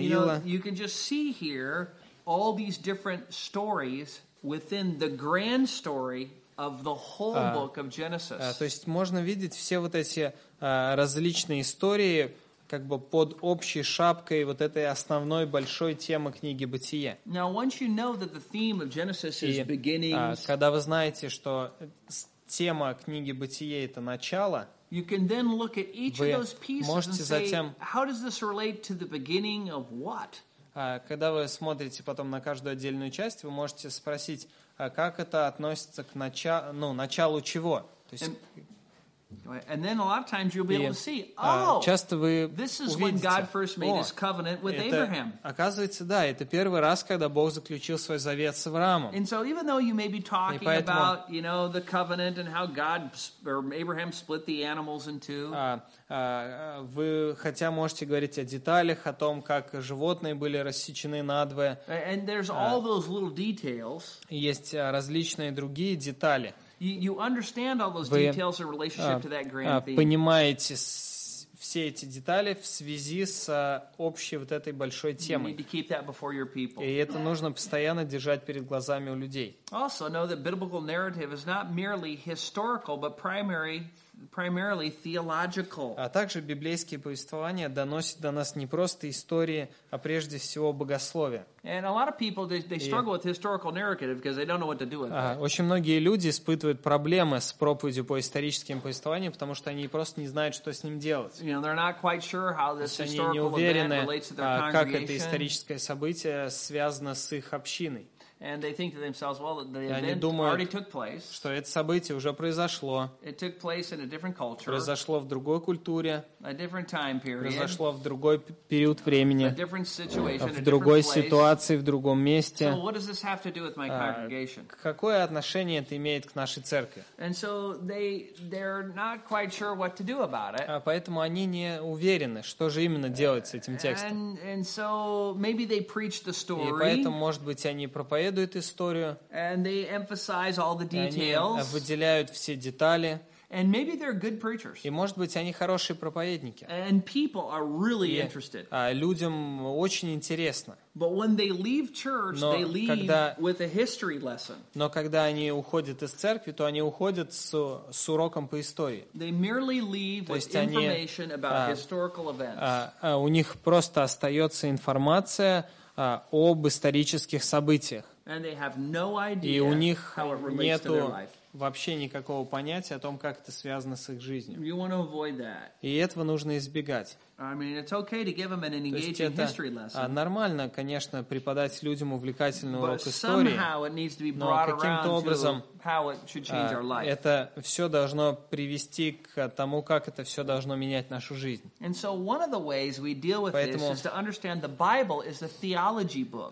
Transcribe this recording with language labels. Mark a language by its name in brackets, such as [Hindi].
[English] You know, you can just see here all these different stories within the grand story of the whole book of Genesis. [Russian] То есть можно видеть все вот эти различные истории как бы под общей шапкой вот этой основной большой темы книги Бытие. [English] Now, once you know that the theme of Genesis is beginnings, [Russian] когда вы знаете, что тема книги Бытие — это начало, [English] you can then look at each [Russian] вы [English] of those pieces [Russian] можете [English] and [Russian] затем [English] say, how does this relate to the beginning of what? [Russian] Когда вы смотрите потом на каждую отдельную часть, вы можете спросить, как это относится к началу чего? То есть, [English] and then a lot of times you'll be able to see, [Russian] часто вы [English] this is [Russian] увидите, [English] when God first made his covenant with Abraham. [Russian] Оказывается, да, это первый раз, когда Бог заключил свой завет с Авраамом. [English] And so even though you may be talking [Russian] поэтому, [English] about, you know, the covenant and how God or Abraham split the animals in two, [Russian] вы хотя можете говорить о деталях, о том, как животные были рассечены надвое. [English] And there's all those little details. [Russian] Есть различные другие детали. [English] You understand all those details in relationship to that grand theme. [Russian] Вы понимаете все эти детали в связи с общей вот этой большой темой. [English] You need to keep that before your people. [Russian] И это нужно постоянно держать перед глазами у людей. [English] Also know that biblical narrative is not merely historical, but primarily theological. [Russian] А также библейские повествования доносят до нас не просто истории, а прежде всего богословия. [English] And a lot of people they struggle with historical narrative because they don't know what to do with it. [Russian] Очень многие люди испытывают проблемы с проповедью по историческим повествованиям, потому что они просто не знают, что с ним делать. [English] You know, they're not quite sure how this historical event relates to their congregation. [Russian] Как это историческое событие связано с их общиной. [English] And they think to themselves, well, the event already took place. [Russian] Что это событие уже произошло. [English] It took place in a different culture. [Russian] Произошло в другой культуре. [English] A different time period. [Russian] Произошло в другой период времени. [English] A different situation, [Russian] в другой ситуации, в другом месте. [English] So what does this have to do with my congregation? [Russian] Какое отношение это имеет к нашей церкви? [English] And so they're not quite sure what to do about it. [Russian] Поэтому они не уверены, что же именно делать с этим текстом. [English] And so maybe they preach the story. [Russian] И поэтому, может быть, они проповедуют историю, [English] and they emphasize all the details. [Russian] Они выделяют все детали. [English] And maybe they're good preachers. [Russian] И может быть они хорошие проповедники. [English] And people are really interested. [Russian] Людям очень интересно. [English] But when they leave church, they leave with a history lesson. [Russian] Но когда они уходят из церкви, то они уходят с уроком по истории. [English] They merely leave with information about historical events. [Russian] У них просто остается информация об исторических событиях. [English] And they have no idea. [Russian] И у них нету вообще никакого понятия о том, как это связано с их жизнью. [English] You want to avoid that. [Russian] И этого нужно избегать. [English] I mean, it's okay to give them an engaging history lesson. [Russian] Нормально, конечно, преподать людям увлекательный урок [English] but [Russian] истории. [English] Somehow it needs to be [Russian] но каким-то образом [English] how it should change our life. [Russian] Это все должно привести к тому, как это все должно менять нашу жизнь. [English] And so one of the ways we deal with [Russian] поэтому [English] this is to understand the Bible is a theology book.